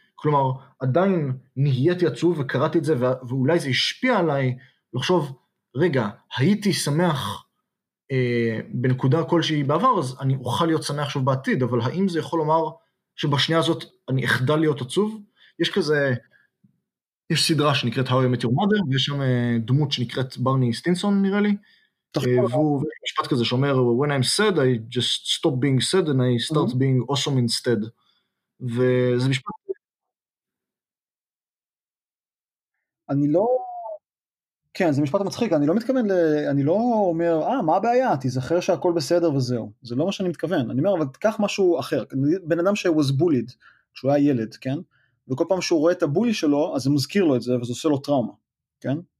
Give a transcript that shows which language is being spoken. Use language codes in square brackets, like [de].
[he] כלומר, עדיין נהייתי עצוב וקראתי את זה, ואולי זה השפיע עליי לחשוב, רגע, הייתי שמח בנקודה כלשהי בעבר, אז אני אוכל להיות שמח שוב בעתיד, אבל האם זה יכול לומר שבשנייה הזאת אני אחדל להיות עצוב? יש כזה, יש סדרה שנקראת How I Met Your Mother, ויש שם דמות שנקראת ברני סטינסון נראה לי, והוא משפט כזה שאומר, [en] When I'm sad, I just stop being sad, and I start being awesome instead. [he] וזה משפט. אני לא, כן, זה משפט מצחיק, אני לא מתכוון, אני לא אומר, מה הבעיה? תזכר שהכל בסדר וזהו. זה לא מה שאני מתכוון. אני אומר, אבל קח משהו אחר. בן אדם שהוא [en] was bullied, [he] שהוא היה ילד, כן? וכל פעם שהוא רואה את הבולי שלו, אז זה מזכיר לו את זה, וזה עושה לו טראומה, כן?